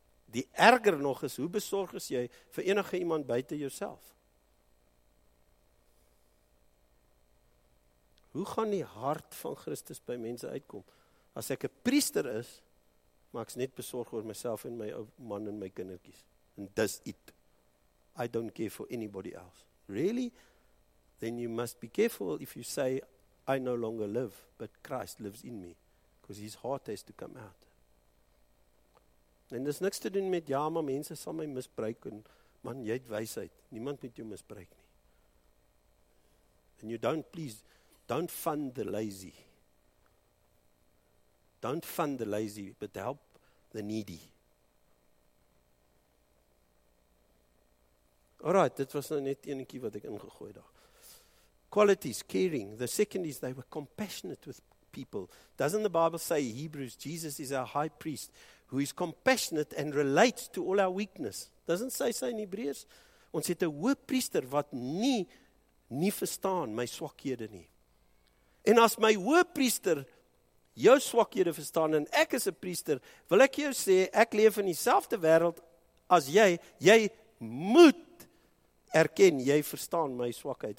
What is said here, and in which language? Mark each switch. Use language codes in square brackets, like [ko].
[af] Die erger nog is, hoe besorg is jy vir enige iemand buiten jouself? Hoe gaan die hart van Christus by mense uitkom? As ek 'n priester is, maak ek net besorg oor myself en my man en my kindertjies. [en] And that's it. I don't care for anybody else. Really? Then you must be careful if you say, I no longer live, but Christ lives in me. Because his heart has to come out. [af] En dis niks te doen met, ja, maar mense sal my misbruik, en man, jy het wysheid, niemand moet jou misbruik nie. [en] And you don't, please, don't fund the lazy. Don't fund the lazy, but help the needy. [af] Alright, dit was nou net enetjie wat ek ingegooi daar. Qualities, caring. [en] The second is, they were compassionate with people. Doesn't the Bible say, Hebrews, Jesus is our high priest, who is compassionate and relates to all our weakness. Doesn't say so in Hebrews? [af] Ons het 'n hoëpriester wat nie verstaan my swakhede nie. En as my hoëpriester jou swakhede verstaan, en ek is 'n priester, wil ek jou sê, ek leef in dieselfde wêreld as jy. Jy moet erken, jy verstaan my swakheid.